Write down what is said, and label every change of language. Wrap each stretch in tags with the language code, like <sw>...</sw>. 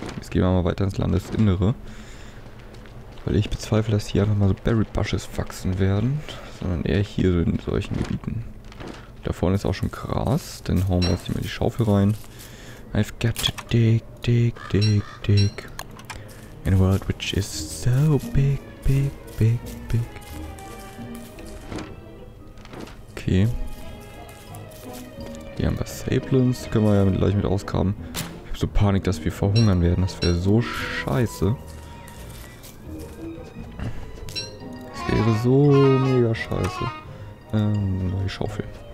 <de>Gehen wir mal weiter ins Landesinnere. Weil ich bezweifle, dass hier einfach mal so Berry Bushes wachsen werden. Sondern eher hier so in solchen Gebieten. Da vorne ist auch schon Gras. Dann hauen wir jetzt hier mal die Schaufel rein.</de> <en>I've got to dig, dig, dig, dig. In a world which is so big, big, big, big. Okay.</en> <de>Hier haben wir Saplings. Die können wir ja gleich mit ausgraben. So Panik, dass wir verhungern werden. Das wäre so scheiße. Das wäre so mega scheiße. Neue Schaufel.</de>